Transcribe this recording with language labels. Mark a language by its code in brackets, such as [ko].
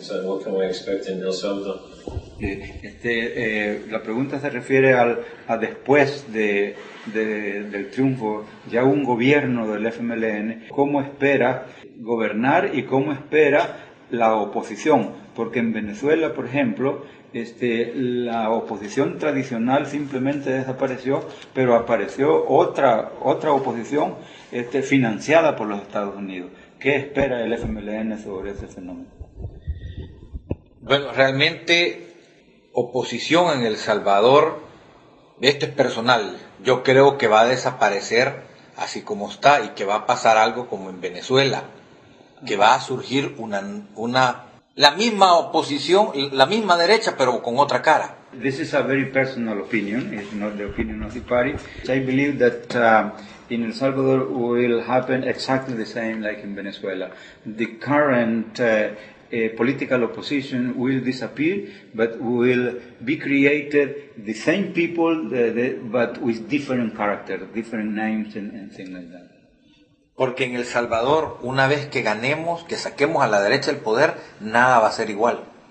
[en] So what can we expect in El Salvador? [es] La pregunta se refiere a después del triunfo, ya un gobierno del FMLN, ¿cómo espera gobernar y cómo espera la oposición? Porque en Venezuela, por ejemplo, la oposición tradicional simplemente desapareció, pero apareció otra oposición financiada por los Estados Unidos. ¿Qué espera el FMLN sobre ese fenómeno? Bueno, realmente oposición en El Salvador, esto es personal, yo creo que va a desaparecer así como está y que va a pasar algo como en Venezuela, que va a surgir una la misma oposición, la misma derecha, pero con otra cara. [en] This is a very personal opinion, it's not the opinion of the party. I believe that in El Salvador will happen exactly the same like in Venezuela. The current political opposition will disappear, but will be created the same people, but with different character, different names and things like that. [es] Porque en El Salvador, una vez que ganemos, que saquemos a la derecha el poder, nada va a ser igual.